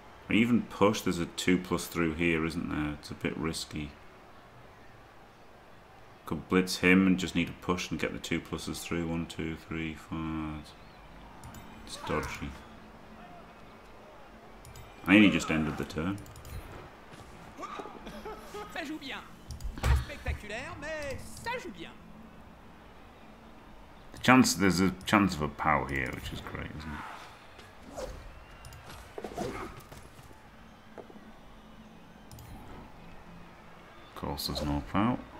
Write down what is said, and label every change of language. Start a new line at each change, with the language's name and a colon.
English: I even push, there's a 2 plus through here, isn't there? It's a bit risky. Could blitz him and just need to push and get the 2 pluses through. 1, 2, 3, 4. It's dodgy. I only just ended the turn.
French: Ça joue bien. Pas spectaculaire, mais ça joue bien.
English: There's a chance of a pow here, which is great, isn't it? Of course there's no pow.